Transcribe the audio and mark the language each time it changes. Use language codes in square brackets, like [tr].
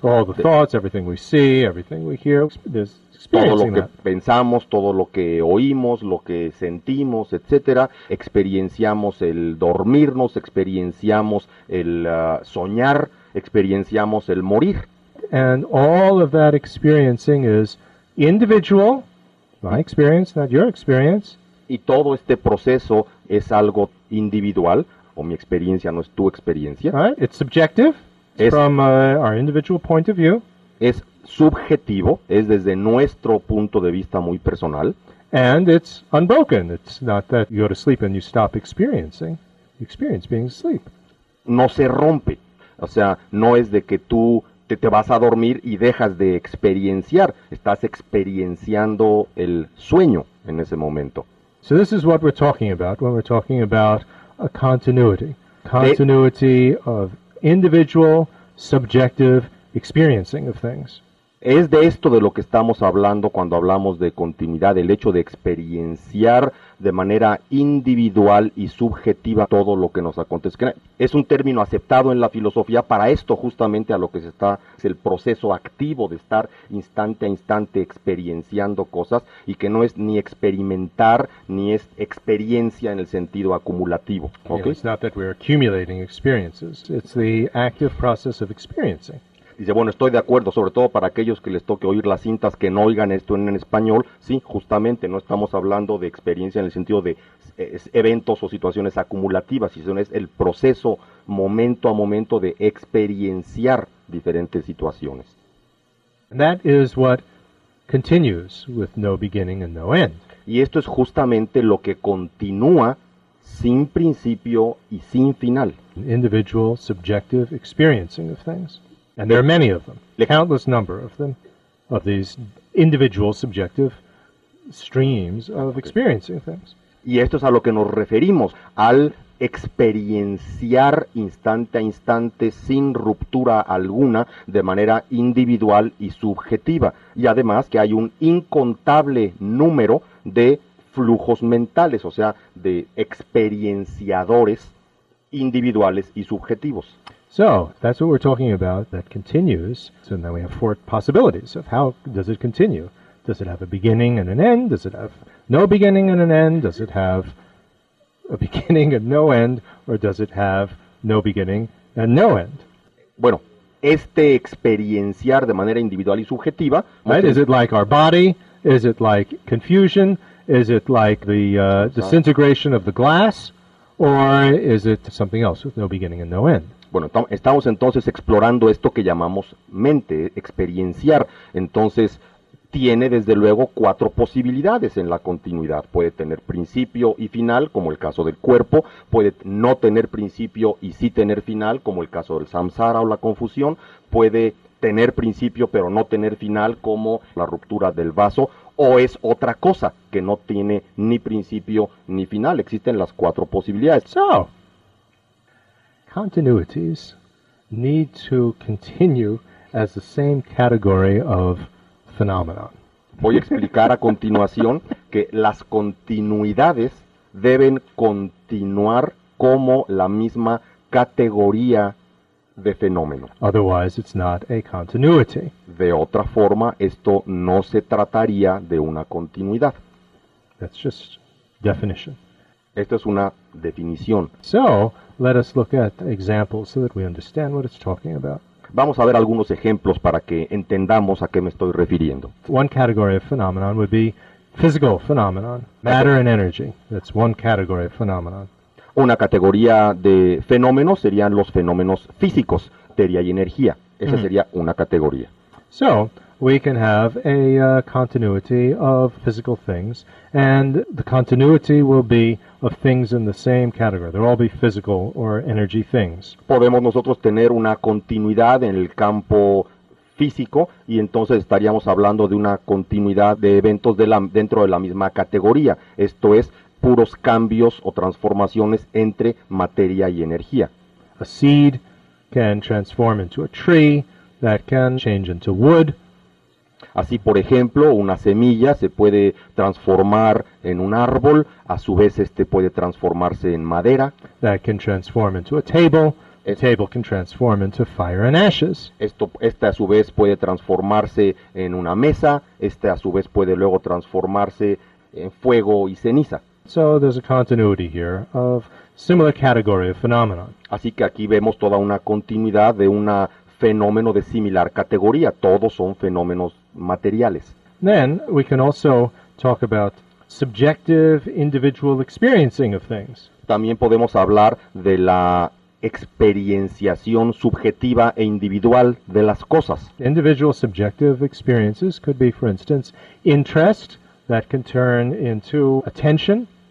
[en] All the thoughts, everything we see, everything we hear, there's experiencing [es] todo lo que [en] that. [es] Pensamos, todo lo que oímos, lo que sentimos, etcétera, experienciamos el dormirnos, experienciamos el soñar, experienciamos el morir. [en] And all of that experiencing is individual, my experience, not your experience. [es] Y todo este proceso es algo individual, o mi experiencia no es tu experiencia. [en] Right? It's subjective, from our individual point of view. [es] Es subjetivo, es desde nuestro punto de vista muy personal. [en] And it's unbroken. It's not that you go to sleep and you stop experiencing. You experience being asleep. [es] No se rompe. O sea, no es de que tú te vas a dormir y dejas de experienciar. Estás experienciando el sueño en ese momento. [en] So this is what we're talking about when we're talking about a continuity. Continuity of individual, subjective experiencing of things. [es] Es de esto de lo que estamos hablando cuando hablamos de continuidad, el hecho de experienciar de manera individual y subjetiva todo lo que nos acontece. Es un término aceptado en la filosofía para esto justamente a lo que se está, es el proceso activo de estar instante a instante experienciando cosas y que no es ni experimentar ni es experiencia en el sentido acumulativo. [en] Okay? It's not that we're accumulating experiences, it's the active process of experiencing. [es] Dice, bueno, estoy de acuerdo, sobre todo para aquellos que les toque oír las cintas que no oigan esto en español. Sí, justamente, no estamos hablando de experiencia en el sentido de eventos o situaciones acumulativas, sino es el proceso momento a momento de experienciar diferentes situaciones. [en] And that is what continues with no beginning and no end. [es] Y esto es justamente lo que continúa sin principio y sin final. [en] Individual, subjective experiencing of things. And there are many of them, countless number of them, of these individual subjective streams of experiencing things. [es] Y esto es a lo que nos referimos, al experienciar instante a instante sin ruptura alguna de manera individual y subjetiva. Y además que hay un incontable número de flujos mentales, o sea, de experienciadores individuales y subjetivos. [en] So, that's what we're talking about that continues. So now we have four possibilities of how does it continue? Does it have a beginning and an end? Does it have no beginning and an end? Does it have a beginning and no end? Or does it have no beginning and no end? [es] Bueno, este experienciar de manera individual y subjetiva. [en] Right? Is it like our body? Is it like confusion? Is it like the disintegration of the glass? Or is it something else with no beginning and no end? [es] Bueno, estamos entonces explorando esto que llamamos mente, experienciar. Entonces, tiene desde luego cuatro posibilidades en la continuidad. Puede tener principio y final, como el caso del cuerpo. Puede no tener principio y sí tener final, como el caso del samsara o la confusión. Puede tener principio pero no tener final, como la ruptura del vaso. O es otra cosa que no tiene ni principio ni final. Existen las cuatro posibilidades. [en] So, continuities need to continue as the same category of phenomenon. [es] Voy a explicar a continuación que las continuidades deben continuar como la misma categoría de fenómeno. [en] Otherwise, it's not a continuity. [es] De otra forma, esto no se trataría de una continuidad. [en] That's just definition. [es] Esto es una definición. [en] So, let us look at examples so that we understand what it's talking about. [es] Vamos a ver algunos ejemplos para que entendamos a qué me estoy refiriendo. [en] One category of phenomenon would be physical phenomenon, matter and energy. That's one category of phenomenon. [es] Una categoría de fenómenos serían los fenómenos físicos, materia y energía. Esa sería una categoría. [en] So, we can have a continuity of physical things, and the continuity will be of things in the same category. They'll all be physical or energy things. [es] Podemos nosotros tener una continuidad en el campo físico, y entonces estaríamos hablando de una continuidad de eventos dentro de la misma categoría. Esto es, puros cambios o transformaciones entre materia y energía. [en] A seed can transform into a tree that can change into wood. [es] Así, por ejemplo, una semilla se puede transformar en un árbol, a su vez este puede transformarse en madera. [en] That can transform into a table. A table can transform into fire and ashes. [es] Esta a su vez puede transformarse en una mesa, esta a su vez puede luego transformarse en fuego y ceniza. [en] So there's a continuity here of similar category of phenomenon. [es] Así que aquí vemos toda una continuidad de un fenómeno de similar categoría. Todos son fenómenos materiales. [en] Then we can also talk about subjective individual experiencing of things. [es] También podemos hablar de la experienciación subjetiva e individual de las cosas. [en] Individual subjective experiences could be, for instance, interest that can turn into attention.